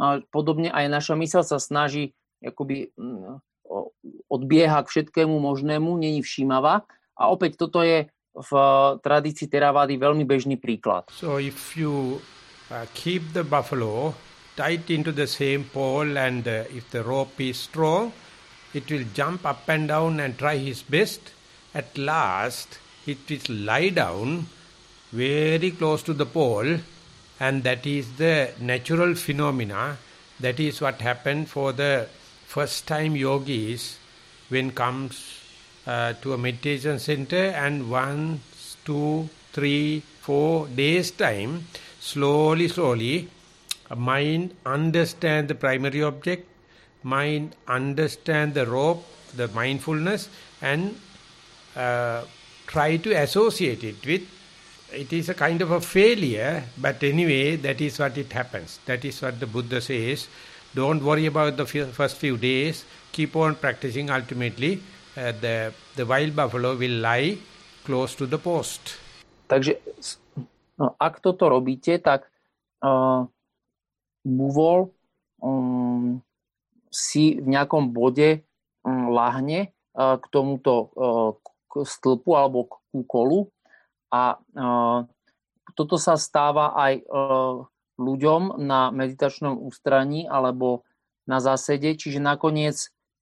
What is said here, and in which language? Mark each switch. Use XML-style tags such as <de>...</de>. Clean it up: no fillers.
<sk>Podobne aj naša myseľ sa snaží akoby odbieha k všetkému možnému, není všímavá. A opäť toto je v tradícii Theravády veľmi bežný príklad.</sk> <en>So if you keep the buffalo tight into the same pole, and if the rope is strong, it will jump up and down and try his best. At last, it will lie down very close to the pole, and that is the natural phenomena. That is what happened for the first time yogis when comes to a meditation center, and 1, 2, 3, 4 days time, slowly, mind understand the primary object, mind understand the rope, the mindfulness, and try to associate it with, it is a kind of a failure, but anyway, that is what it happens. That is what the Buddha says, don't worry about the first few days, keep on practicing, ultimately, the wild buffalo will lie close to the post.</en> <sk>Takže, no, ak toto robíte, tak buvol si v nejakom bode lahne k tomuto k stĺpu alebo k kolu, a toto sa stáva aj ľuďom na meditačnom ústraní alebo na zásede, čiže nakoniec</sk>